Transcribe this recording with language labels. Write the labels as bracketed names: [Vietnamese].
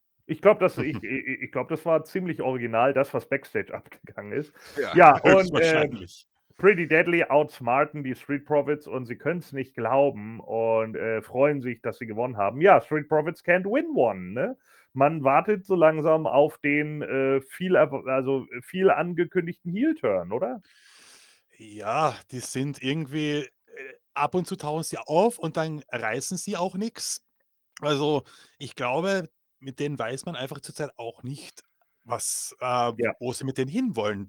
[German] Ich glaube, das war ziemlich original, das, was Backstage abgegangen ist. Ja, und wahrscheinlich. Pretty Deadly outsmarten die Street Profits und sie können es nicht glauben und freuen sich, dass sie gewonnen haben. [English] Ja, Street Profits can't win one, ne? [German] Man wartet so langsam auf den viel angekündigten Heel-Turn, oder? Ja, die sind irgendwie, ab und zu tauchen sie auf und dann reißen sie auch nichts. Also ich glaube, mit denen weiß man einfach zurzeit auch nicht, wo sie mit denen hinwollen.